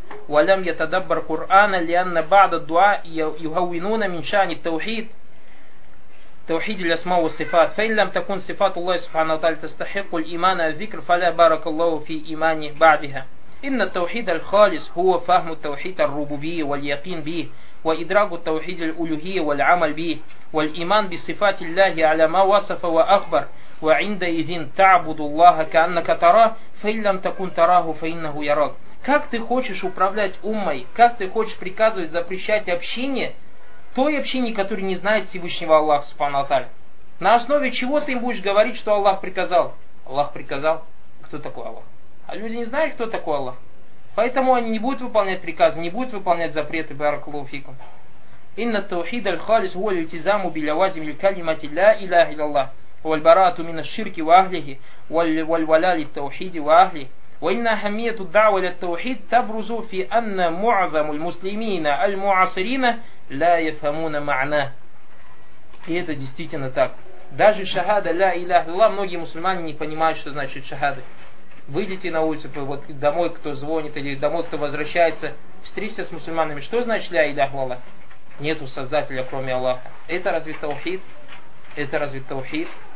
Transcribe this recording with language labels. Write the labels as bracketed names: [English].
[Arabic] ولم يتدبر قرآن لأن بعض الدعاء يهونون من شأن التوحيد توحيد الأسماء والصفات فإن لم تكن صفات الله سبحانه وتعالى تستحق الإيمان الذكر فلا بارك الله في إيمانه بعدها إن التوحيد الخالص هو فهم التوحيد الربوبية واليقين به وإدراك التوحيد الألوهية والعمل به والإيمان بصفات الله على ما وصف وأخبر وعندئذ تعبد الله كأنك تراه فإن لم تكن تراه فإنه يراك. [Russian] как ты хочешь управлять уммой, как ты хочешь приказывать запрещать общине, той общине, которая не знает Всевышнего Аллаха Субхану Аталь. На основе чего ты им будешь говорить, что Аллах приказал? Аллах приказал. Кто такой Аллах? А люди не знают, кто такой Аллах. Поэтому они не будут выполнять приказы, не будут выполнять запреты. [Arabic] Баракаллаху фикум. Инна тавхид аль-халис ва аль-итизаму биллавазими аль-калимати ла илаха илляллах ва аль-бараату мин аш-ширки ва ахлихи ва аль-валали ат-таухиди ва ахлихи. وإن أهمية الدعوة للتوحيد تبرز في أن معظم المسلمين المعاصرين لا يفهمون معناه. [Russian] И это действительно так. Даже шахада ля иляха илля, многие мусульмане не понимают, что значит шахада. Выйдите на улицу, вот домой, кто звонит, или домой, кто возвращается, встретитесь с мусульманами. Что значит ля иляха илля? Нету создателя, кроме Аллаха. Это разве таухид? Это разве таухид?